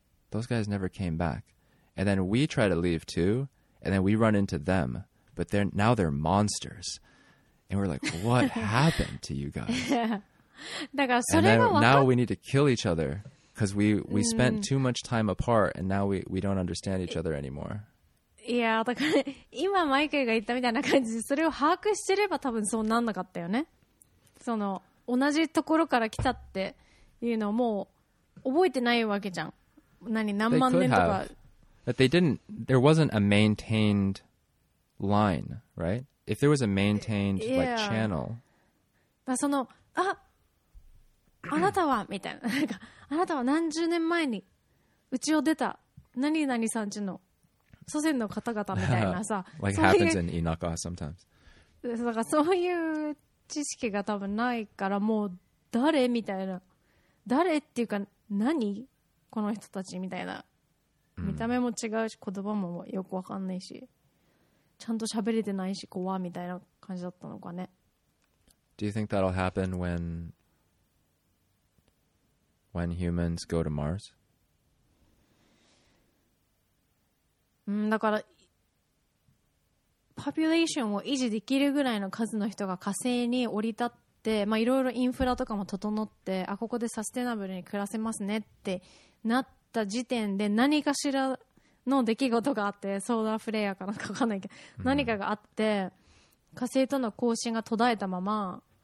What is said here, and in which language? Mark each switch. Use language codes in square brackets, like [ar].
[en] Those guys never came back. And then we try to leave too. And then we run into them. But now they're monsters. And we're like, what happened to you guys? And then, now we need to kill each other. Because we spent too much time apart. And now we don't understand each other anymore. Yeah, [ja] だから今マイケルが言ったみたいな感じでそれを把握してれば多分そうなんなかったよね。その同じところから来たって。 [en] You know, [ja] もう覚えてないわけじゃん。何万年とか。 [en] But they didn't. There wasn't a maintained line, right? If there was a maintained like channel. [ja] まあその あなたはみたいななんかあなたは何十年前にうちを出た何々さんちの祖先の方々みたいなさ。 [en] like happens in Inaka sometimes. [ja] だからそういう知識が多分ないからもう誰みたいな。誰っていうか何この人たちみたいな見た目も違うし言葉もよくわかんないしちゃんと喋れてないし怖みたいな感じだったのかね。 [en] Do you think that'll happen when humans go to Mars? [ja] だからポピュレーションを維持できるぐらいの数の人が火星に降り立ってでまあ、いろいろインフラとかも整ってあここでサステナブルに暮らせますねってなった時点で何かしらの出来事があってソーラーフレアかなんか分かんないけど何かがあって火星との交信が途絶えたまま